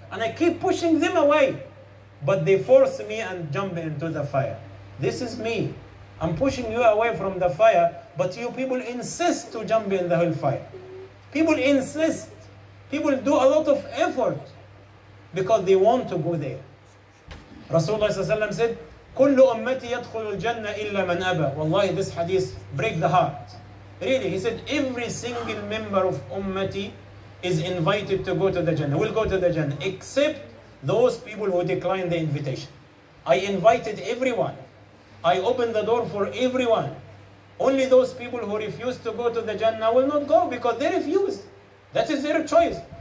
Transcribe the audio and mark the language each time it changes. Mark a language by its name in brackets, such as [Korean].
[English] And I keep pushing them away, but they force me and jump into the fire. This is me. I'm pushing you away from the fire, but you people insist to jump in the whole fire. People insist. People do a lot of effort because they want to go there. [Arabic] Rasulullah ﷺ said, كُلُّ أُمَّتِي يَدْخُلُ الْجَنَّةِ إِلَّا مَنْ أَبَى. [English] Wallahi, this hadith breaks the heart. Really, he said, every single member of Ummati is invited to go to the Jannah. We'll go to the Jannah, except those people who decline the invitation. I invited everyone. I open the door for everyone. Only those people who refuse to go to the Jannah will not go because they refuse. That is their choice.